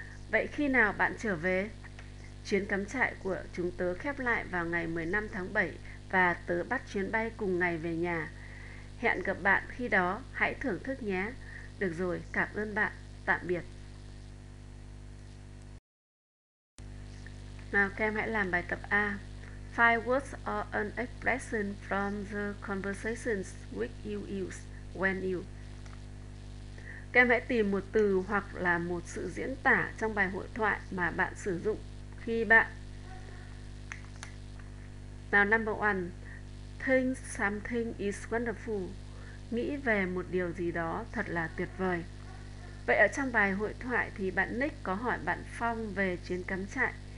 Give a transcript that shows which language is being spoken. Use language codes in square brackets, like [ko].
[vi] Vậy khi nào bạn trở về? Chuyến cắm trại của chúng tớ khép lại vào ngày 15 tháng 7 và tớ bắt chuyến bay cùng ngày về nhà. Hẹn gặp bạn khi đó, hãy thưởng thức nhé. Được rồi, cảm ơn bạn. Tạm biệt. Nào, các em hãy làm bài tập A. [en] Five words or an expression from the conversations which you use when you... [vi] Các em hãy tìm một từ hoặc là một sự diễn tả trong bài hội thoại mà bạn sử dụng khi bạn... Nào, [en] number one. Think something is wonderful. [vi] Nghĩ về một điều gì đó thật là tuyệt vời. Vậy ở trong bài hội thoại thì bạn Nick có hỏi bạn Phong về chuyến cắm trại.